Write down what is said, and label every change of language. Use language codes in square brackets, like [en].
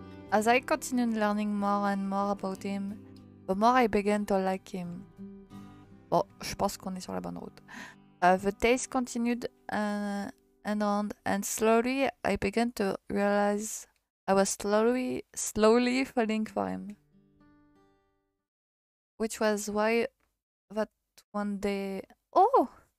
[en] As I continued learning more and more about him, the more I began to like him. [fr] Bon, je pense qu'on est sur la bonne route. [en] The days continued and on, and slowly I began to realize I was slowly falling for him. Which was why that one day. Oh!